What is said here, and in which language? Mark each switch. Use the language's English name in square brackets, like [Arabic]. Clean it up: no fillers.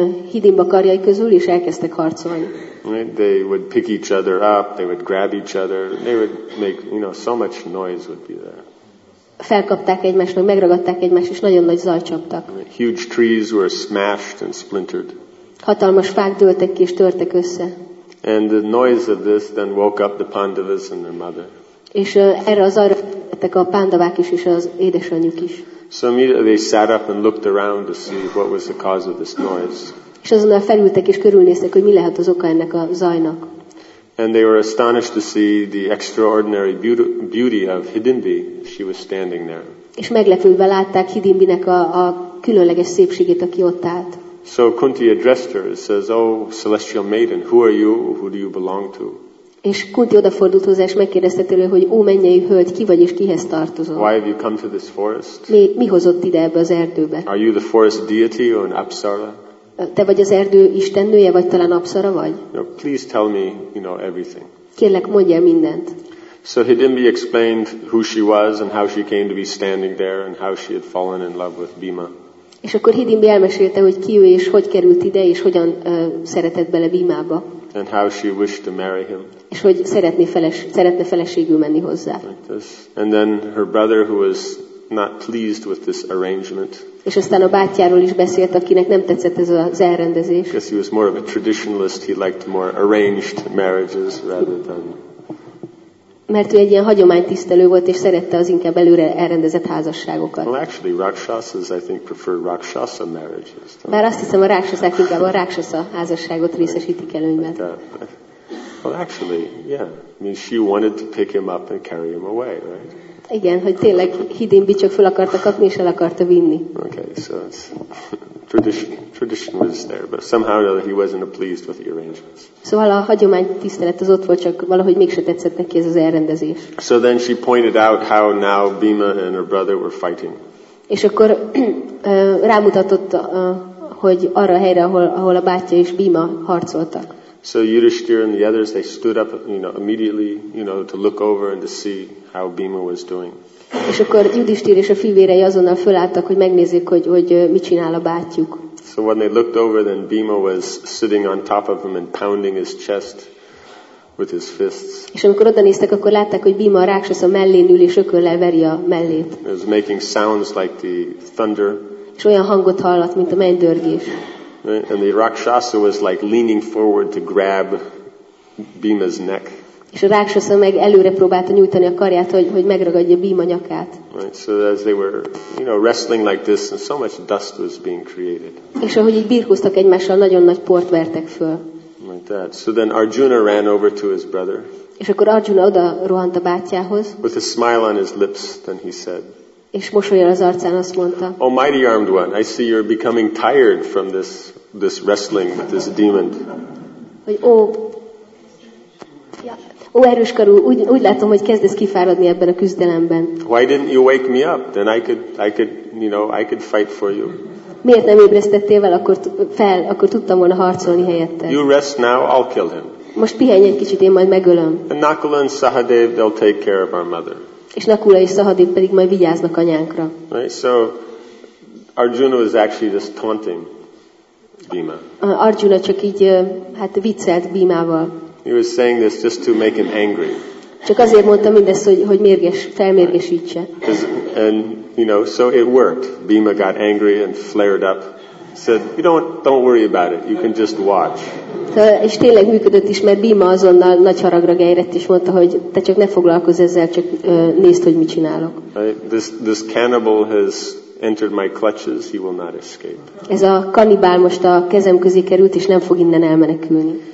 [Hungarian] hidimba karjai közül is elkezdtek harcolni. [English] Right? They would pick each other up, they would grab each other, they would make, you know, so much noise would be there. [Hungarian] Felkapták egymást, meg megragadták egymást, és nagyon nagy zaj csaptak. [English] Huge trees were smashed and splintered. [Hungarian] Hatalmas fák dőltek ki és törtek össze. [English] And the noise of this then woke up the Pandavas and their mother. [Hungarian] És erre a zajra felkeltek a pándavák is és az édesanyjuk is. [English] So immediately they sat up and looked around to see what was the cause of this noise. [Hungarian] És azonnal felültek és körülnéztek, hogy mi lehet az oka ennek a zajnak. [English] And they were astonished to see the extraordinary beauty of Hidimbi. She was standing there. [Hungarian] És meglepődve látták Hidimbinek a különleges szépségét, aki ott állt. [English] So Kunti addressed her and says, "Oh, celestial maiden, who are you? Who do you belong to?" [Hungarian] És Kunti odafordult hozzá és megkérdezte tőle, hogy ó, mennyei hölgy, ki vagy és kihez tartozol? [English] Why have you come to this forest? [Hungarian] Mi hozott ide ebbe az erdőbe? [English] Are you the forest deity or an apsara? [Hungarian] Te vagy az erdő istennője, vagy talán apsara vagy? [English] No, please tell me, you know, everything. [Hungarian] Kérlek, mondj el mindent. [English] So Hidimbi explained who she was and how she came to be standing there and how she had fallen in love with Bhima. [Hungarian] És akkor Hidimbi elmesélte, hogy ki ő és hogy került ide és hogyan szeretett bele Bhimába. [English] And how she wished to marry him. [Hungarian] És hogy szeretne feleségül menni hozzá. [English] Like this. And then her brother, who was not pleased with this arrangement. [Hungarian] És aztán a bátyáról is beszélt, akinek nem tetszett ez az elrendezés. [English] Because he was more of a traditionalist, he liked more arranged marriages rather than. [Hungarian] Mert ő egy ilyen hagyománytisztelő volt és szerette az inkább előre elrendezett házasságokat. [English] Well, actually, rakshasas, I think, prefer rakshasa marriages. [Hungarian] Bár azt hiszem, a rakshasák inkább a rakshasa házasságot részesítik előnyben. [English] Well, actually, yeah. I mean, she wanted to pick him up and carry him away, right? [Hungarian] Igen, hogy tényleg Hidimbi csak föl akarta kapni és el akarta vinni. [English] Okay, so it's tradition was there, but somehow or other he wasn't pleased with the arrangements. [Hungarian] Szóval a hagyománytisztelet az ott volt, csak valahogy mégse tetszett neki ez az elrendezés. [English] So then she pointed out how now Bhima and her brother were fighting. [Hungarian] És akkor rámutatott, hogy arra a helyre, ahol a bátyja és Bhima harcoltak. [English] So Yudhishthira and the others, they stood up, you know, immediately, you know, to look over and to see how Bhima was doing. [Hungarian] És akkor Yudhishthira és a fivérei azonnal fölálltak, hogy megnézzék, hogy mit csinál a bátyjuk. [English] So when they looked over, then Bhima was sitting on top of him and pounding his chest with his fists. [Hungarian] És amikor oda néztek, akkor látták, hogy Bhima a rákshasa mellén ül és ököllel veri a mellét. [English] It was making sounds like the thunder. [Hungarian] És olyan hangot hallott, mint a mennydörgés. [English] Right? And the rakshasa was like leaning forward to grab Bhima's neck. [Hungarian] És a rakshasa meg előre próbálta nyújtani a karját, hogy megragadja Bhima nyakát. [English] Right? So as they were, you know, wrestling like this, and so much dust was being created. [Hungarian] És ahogy így birkóztak egymással, nagyon nagy port vertek föl. [English] Like that. So then Arjuna ran over to his brother. [Hungarian] És akkor Arjuna oda rohant a bátyjához. [English] With a smile on his lips, then he said. [Hungarian] És mosolyan az arcán azt mondta. [English] Oh, mighty armed one, I see you're becoming tired from this wrestling with this demon. [Hungarian] Hogy ó, erős karú, úgy látom, hogy kezdesz kifáradni ebben a küzdelemben. [English] Why didn't you wake me up? Then I could, you know, I could fight for you. [Hungarian] Miért nem ébresztettél vel, akkor tudtam volna harcolni helyetted. [English] You rest now, I'll kill him. [Hungarian] Most pihenj egy kicsit, én majd megölöm. [English] And Nakula and Sahadev, they'll take care of our mother. [Hungarian] És Nakula és Sahadev pedig majd vigyáznak anyánkra. [English] Right, so Arjuna was actually just taunting Bhima. [Hungarian] Arjuna csak így hát viccelt Bhimával. [English] He was saying this just to make him angry. [Hungarian] Csak azért mondta mindezt, hogy mérges, felmérgesítse. [English] And you know, so it worked. Bhima got angry and flared up. Said, "You don't worry about it. You can just watch." [Hungarian] És tényleg működött is, mert Bhima azonnal nagy haragra gerjedt és mondta, hogy te csak ne foglalkozz ezzel, csak nézd, hogy mit csinálok. [English] This cannibal has entered my clutches. He will not escape. [Hungarian] Ez a kannibál most a kezem közé került és nem fog innen elmenekülni.